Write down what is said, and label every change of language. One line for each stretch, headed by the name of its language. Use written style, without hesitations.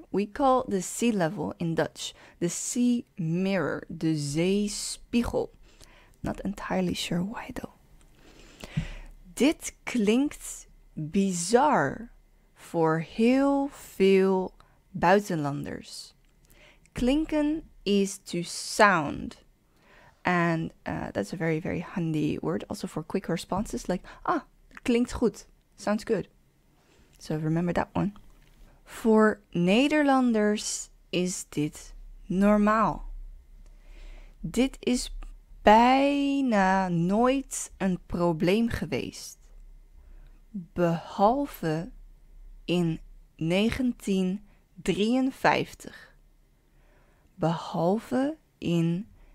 English: We call the sea level in Dutch the sea mirror, de zeespiegel. Not entirely sure why though.
Dutch: Dit klinkt bizar voor heel veel buitenlanders.
English: Klinken is to sound. And that's a very, very handy word also for quick responses like, ah, klinkt goed, sounds good. So remember that one.
Dutch: Voor Nederlanders is dit normaal. Dit is bijna nooit een probleem geweest. Behalve in 1953. Behalve in